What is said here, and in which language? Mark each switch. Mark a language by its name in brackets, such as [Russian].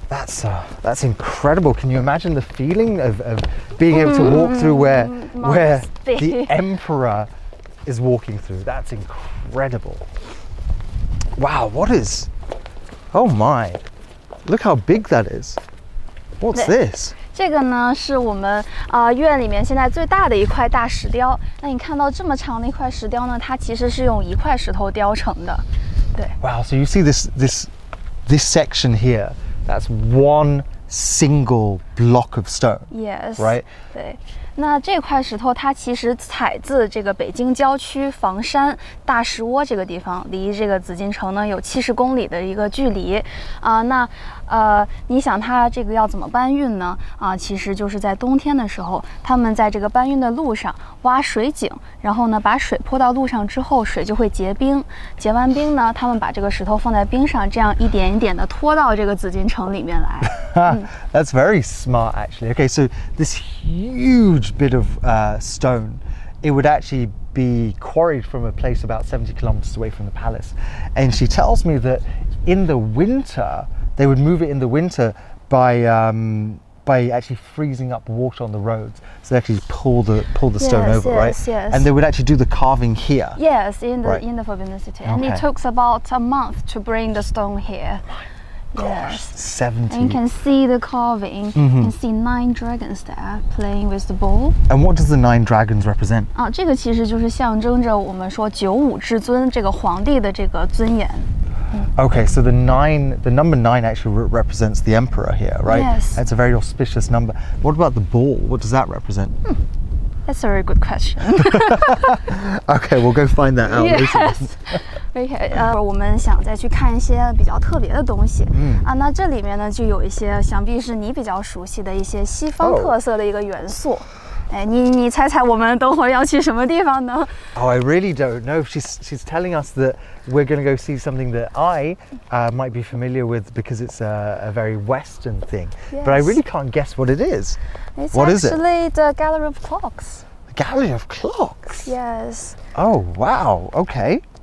[English] That's incredible. Can you imagine the feeling of being able to walk through where the emperor is walking through? That's incredible. Wow, oh my, look how big that is. What's this? [Chinese] 这个呢是我们院里面现在最大的一块大石雕。那你看到这么长的一块石雕呢，它其实是用一块石头雕成的。对。 [English] Wow, so you see this section here, that's one single block of stone. Yes. Right? [Chinese] 对。那这块石头它其实采自这个北京郊区房山大石窝这个地方，离这个紫禁城呢有70公里的一个距离啊。那你想它这个要怎么搬运呢？啊，其实就是在冬天的时候，他们在这个搬运的路上挖水井，然后呢把水泼到路上之后，水就会结冰，结完冰呢，他们把这个石头放在冰上，这样一点一点的拖到这个紫禁城里面来。 [English] That's very smart, actually. Okay, so this huge bit of stone, it would actually be quarried from a place about 70 kilometers away from the palace. And she tells me that in the winter, they would move it in the winter by actually freezing up water on the roads. So they actually pull the stone yes, over, yes, right? Yes, yes. And they would actually do the carving here. Yes, in the Forbidden City. Okay. And it took about a month to bring the stone here. Gosh, yes. 70. And you can see the carving. Mm-hmm. You can see 9 dragons there playing with the bowl. And what does the 9 dragons represent? [Chinese] 啊，这个其实就是象征着我们说九五至尊这个皇帝的这个尊严。 [English] Okay, so the number nine actually represents the emperor here, right? Yes. That's a very auspicious number. What about the bowl? What does that represent? That's a very good question. Okay, we'll go find that out. [Chinese] Yes. Okay, 我们想再去看一些比较特别的东西。嗯啊，那这里面呢就有一些想必是你比较熟悉的一些西方特色的一个元素。 [English] Oh. [Chinese] 哎，你猜猜我们等会儿要去什么地方呢 [English] ？Oh, I really don't know. She's telling us that we're going to go see something that I might be familiar with because it's a very Western thing. Yes. But I really can't guess what it is. It's what is it? It's actually the Gallery of Clocks. The Gallery of Clocks? Yes. Oh, wow. Okay.